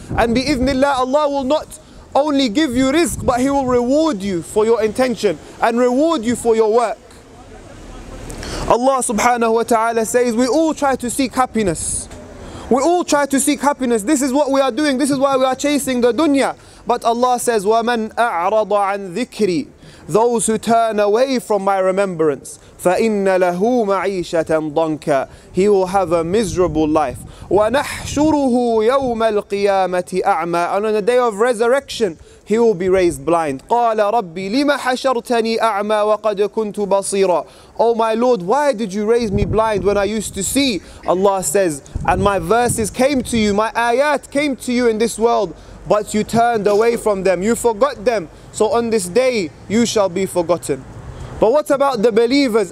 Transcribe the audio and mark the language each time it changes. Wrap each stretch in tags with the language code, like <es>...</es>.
<en>And bi-ithnillah, Allah will not only give you rizq, but he will reward you for your intention and reward you for your work. Allah subhanahu wa ta'ala says, we all try to seek happiness. We all try to seek happiness. This is what we are doing. This is why we are chasing the dunya. But Allah says,</en> <ar>وَمَنْ أَعْرَضَ عَنْ ذِكْرِي.</ar> <en>Those who turn away from my remembrance.</en> <ar>فَإِنَّ لَهُ مَعِيشَةً ضَنْكَ.</ar> <en>He will have a miserable life.</en> <ar>وَنَحْشُرُهُ يَوْمَ الْقِيَامَةِ أَعْمَى.</ar> <en>And on the day of resurrection, he will be raised blind.</en> <ar>قَالَ رَبِّي لِمَ حَشَرْتَنِي أَعْمَى وَقَدْ كُنْتُ بَصِيرًا.</ar> <en>Oh my Lord, why did you raise me blind when I used to see? Allah says, and my verses came to you, my ayat came to you in this world, but you turned away from them, you forgot them. So on this day, you shall be forgotten. But what about the believers?</en>